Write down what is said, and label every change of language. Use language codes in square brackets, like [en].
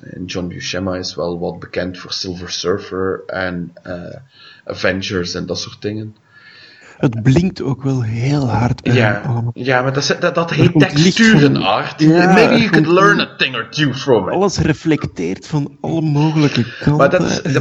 [nl] En John Buscema is wel wat bekend voor Silver Surfer en Avengers en dat soort dingen. Het blinkt ook wel heel hard. Ja, maar dat heet texturen, Art. [en] Ja, maybe you could learn a thing or two from it. [nl] Alles reflecteert van alle mogelijke kanten.